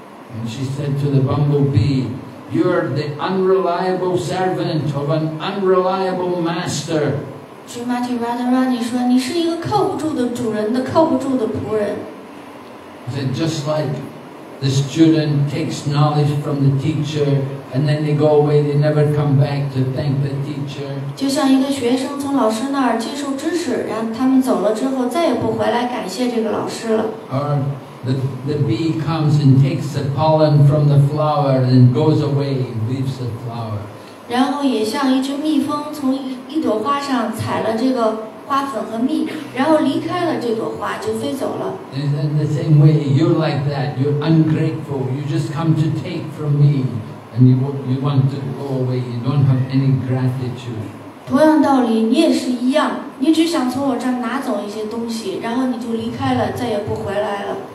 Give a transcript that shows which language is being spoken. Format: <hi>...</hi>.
<en>And she said to the bumblebee, "You are the unreliable servant of an unreliable master."</en> <zh>芝麻对 Radharani 说，你是一个靠不住的主人的靠不住的仆人。</zh> <en>That just like the student takes knowledge from the teacher and then they go away, they never come back to thank the teacher.</en> <zh>就像一个学生从老师那儿接受知识，然后他们走了之后再也不回来感谢这个老师了。</zh> <en>Or the bee comes and takes the pollen from the flower and goes away, leaves the flower.</en> <zh>然后也像一只蜜蜂从一朵花上采了这个花粉和蜜，然后离开了这朵花，就飞走了。</zh> <en>In the same way, you're like that. You're ungrateful. You just come to take from me, and you want to go away. You don't have any gratitude.</en> <zh>同样道理，你也是一样。你只想从我这儿拿走一些东西，然后你就离开了，再也不回来了。</zh>